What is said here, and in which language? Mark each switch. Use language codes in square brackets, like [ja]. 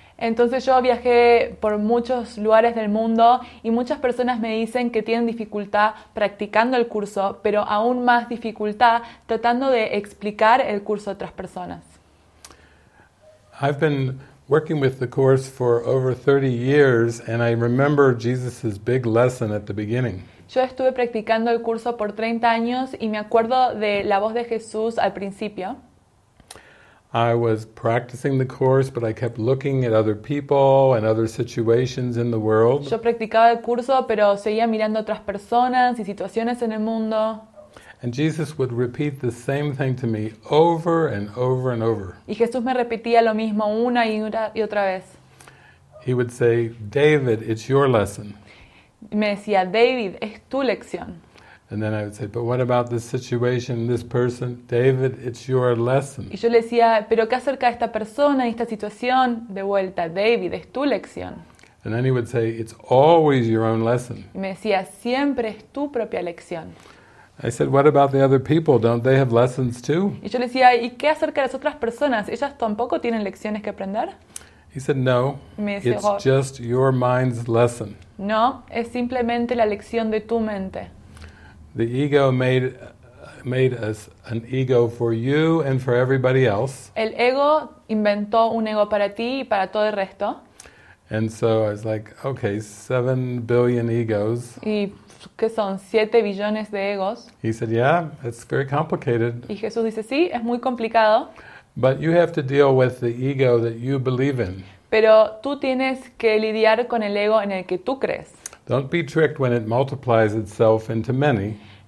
[es] Entonces yo viajé por muchos lugares del mundo y muchas personas me dicen que tienen dificultad practicando el curso, pero aún más dificultad tratando de explicar el curso a otras personas. [en] I've been working with the course for over 30 years and I remember Jesus's big lesson at the beginning. [es] Yo estuve practicando el curso por 30 años y me acuerdo de la voz de Jesús al principio. [en] I was practicing the course, but I kept looking at other people and other situations in the world. [es] Yo practicaba el curso, pero seguía mirando otras personas y situaciones en el mundo. [en] And Jesus would repeat the same thing to me over and over and over. [es] Y Jesús me repetía lo mismo una y otra vez. [en] He would say, "David, it's your lesson." [es] Me decía, "David, es tu lección." [en] And then I would say, "But what about this situation, this person? David, it's your lesson." [es] Y yo le decía, "Pero qué acerca de esta persona y esta situación?" De vuelta, "David, es tu lección." [en] And then he would say, "It's always your own lesson." [es] Y me decía, "Siempre es tu propia lección." [en] I said, "What about the other people? Don't they have lessons too?" [es] Y yo le decía, "¿Y qué acerca de las otras personas? ¿Ellas tampoco tienen lecciones que aprender?" [en] He said, "No, it's just your mind's lesson." [es] No, es simplemente la lección de tu mente. [en] The ego made us an ego for you and for everybody else. [es] El ego inventó un ego para ti y para todo el resto. [en] And so I was like, "Okay, 7 billion egos." [es] Y que son 7 billones de egos. [en] He said, "Yeah, it's very complicated." [es] Y Jesús dice, "Sí, es muy complicado." [en] But you have to deal with the ego that you believe in. [es] Pero tú tienes que lidiar con el ego en el que tú crees. [en] Don't be tricked when it multiplies itself into many.